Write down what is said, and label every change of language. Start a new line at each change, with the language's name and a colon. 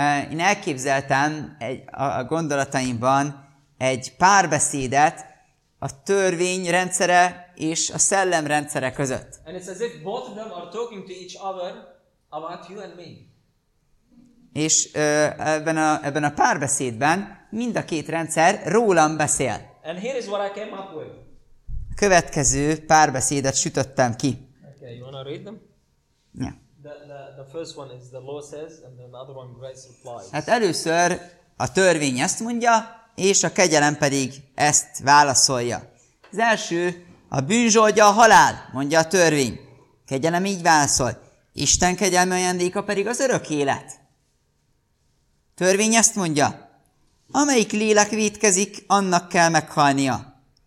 Hungarian: Én elképzeltem a gondolataimban egy párbeszédet a törvény rendszere és a Szellem rendszere között.
English: And it's as if both of them are talking to each other about you and me.
Hungarian: És ebben a párbeszédben mind a két rendszer rólam beszél.
English: And here is what I came up with.
Hungarian: A következő párbeszédet sütöttem ki.
English: Okay, you wanna read them? Yeah. The first one is the law says, and then the other one grace replies.
Hungarian: Hát először a törvény ezt mondja, és a kegyelem pedig ezt válaszolja. Az első, a bűn zsoldja a halál, mondja a törvény. Kegyelem így válaszol. Isten kegyelme ajándéka pedig az örök élet. Törvény ezt mondja. Amelyik lélek vétkezik, annak kell meghalnia.